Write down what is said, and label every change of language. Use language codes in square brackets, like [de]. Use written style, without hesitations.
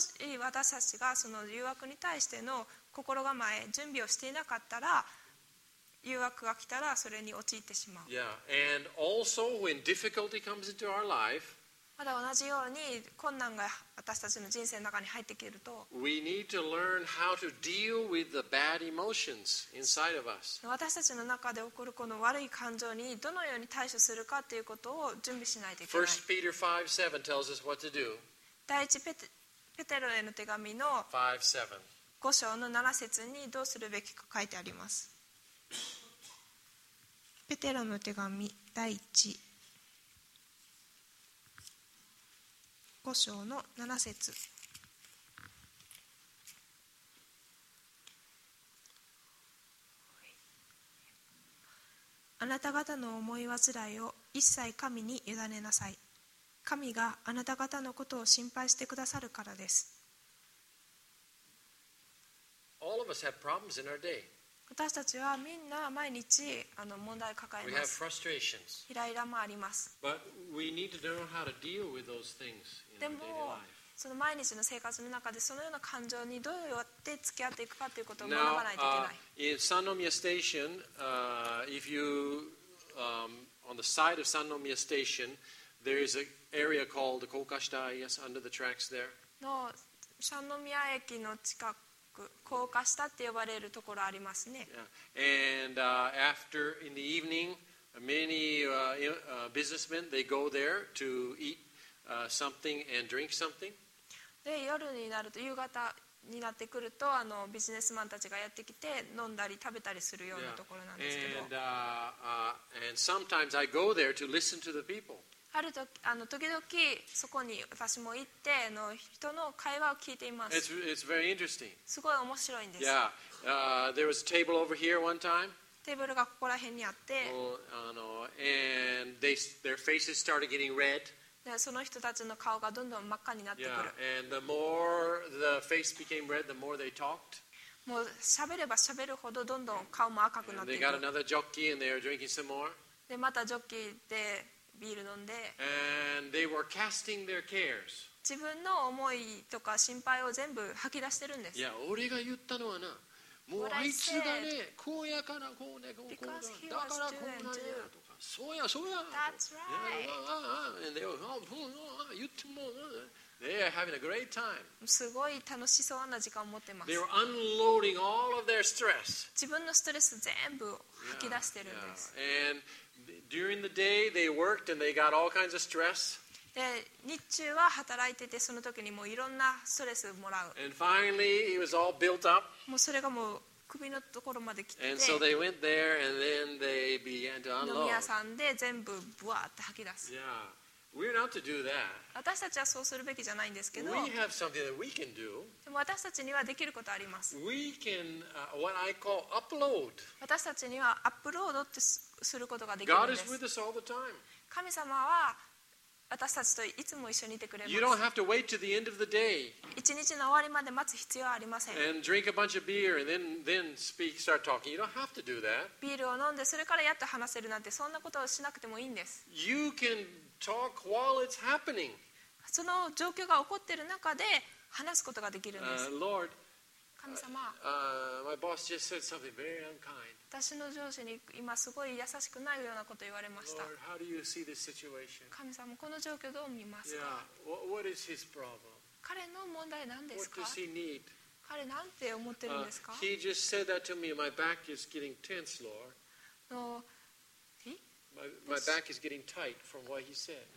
[ja] し私たちがその誘惑に対しての心構え準備をしていなかったら、誘惑が来たらそれに陥ってしまう。 [en] Yeah. And also when difficulty comes into our life, [ja] まだ同じように困難が私たちの人生の中に入ってくると、 [en] we need to learn how to deal with the bad emotions inside of us. [ja] 私たちの中で起こるこの悪い感情にどのように対処するかということを準備しないといけない。 [en] First Peter 5:7 tells us what to do. [ja] 第一ペテロへの手紙の5章の7節にどうするべきか書いてあります。ペテロの手紙第一5章の7節。あなた方の思い煩いを一切神に委ねなさい。神があなた方のことを心配してくださるからです。 [en] All of us have problems in our day. [ja] 私たちはみんな毎日問題を抱えます。 [en] We have frustrations. [ja] イライラもあります。 [en] But we need to know how to deal with those things. [ja] でもその毎日の生活の中でそのような感情にどうやって付き合っていくかということを学ばないといけない。 [en] Now, in Sannomiya Station, if you, on the side of Sannomiya Station, there is an area called the Kokashita, yes, under the tracks there. [ja] の Sannomiya 駅の近く、Kokashita って呼ばれるところありますね。 [en] Yeah. And, after, in the evening, many, businessmen, they go there to eat. Something and drink something. [ja] で夜になると夕方になってくるとビジネスマンたちがやってきて飲んだり食べたりするようなところなんですけど。 [en] And, and sometimes I go there to listen to the people. [ja] ある時時々そこに私も行って人の会話を聞いています。 [en] It's very interesting. [ja] すごい面白いんです。 [en] Yeah. There was a table over here one time. [ja] テーブルがここら辺にあって。 [en] And their faces started getting red. [ja] でその人たちの顔がどんどん真っ赤になってくる。 [en] Yeah. And the more the face became red, the more they talked. [ja] もう喋れば喋るほどどんどん顔も赤くなっていく。 [en] They got another jockey and they are drinking some more. [ja] でまたジョッキーでビール飲んで。 [en] And they were casting their cares. [ja] 自分の思いとか心配を全部吐き出してるんです。いや俺が言ったのはな、もうあいつがね、こうやからこうね、こうだ、だからこうなんや。そうや。 [en] That's right. And they were, oh, oh, oh, you too. They are having a great time. [ja] すごい楽しそうな時間を持ってます。 [en] They were unloading all of their stress. [ja] 自分のストレス全部吐き出してるんです。 [en] Yeah, yeah. And during the day, they worked and they got all kinds of stress. [ja] で、日中は働いててその時にもういろんなストレスもらう。 [en] And finally, it was all built up. [ja] もうそれがもう首のところまで来て、 [en] and so they went there and then they began to unload. [ja] 飲み屋さんで全部ブワーって吐き出す。 [en] Yeah. We're not to do that. [ja] 私たちはそうするべきじゃないんですけど。 [en] We have something that we can do. [ja] でも私たちにはできることあります。 [en] We can, what I call upload. [ja] 私たちにはアップロードってすることができるんです。 [en] God is with us all the time. [ja] 神様は私たちといつも一緒にいてくれます。 [en] You don't have to wait to the end of the day. [ja] 一日の終わりまで待つ必要はありません。 [en] And drink a bunch of beer and then speak, start talking. You don't have to do that. [ja] ビールを飲んでそれからやっと話せるなんてそんなことをしなくてもいいんです。 [en] You can talk while it's happening. [ja] その状況が起こっている中で話すことができるんです。 [en] Lord, [ja] 神様、 [en] my boss just said something very unkind. [ja] 私の上司に今すごい優しくないようなことを言われました。 [en] Lord, how do you see this situation? [ja] 神様、この状況どう見ますか？ [en] Yeah. What is his problem? [ja] 彼の問題何ですか？ [en] What does he need? [ja] 彼なんて思ってるんですか？ [en] He just said that to me. My back is getting tense, Lord. No. My back is getting tight from what he said.